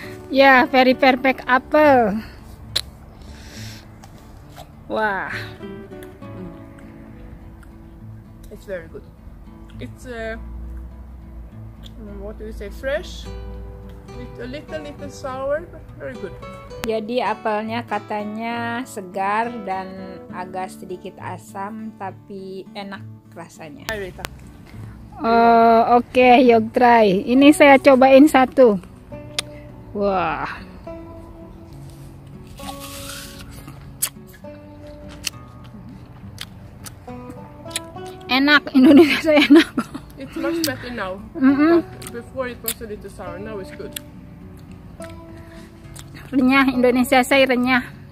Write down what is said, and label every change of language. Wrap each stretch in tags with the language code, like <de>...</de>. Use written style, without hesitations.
<en>Yeah, very perfect apple. Wow. It's very good. It's what do you say, fresh? A little sour, but very good.</en> <id>Jadi apelnya katanya segar dan agak sedikit asam, tapi enak rasanya. Hai Rita.</id> <en>Okay, you try.</en> <id>Ini saya cobain satu. Wah. Enak, Indonesia saya enak.</id> <en>It's much better now. Mm-hmm. Before it was a little sour, now it's good.</en> <id>Renyah, Indonesia saya renyah.</id>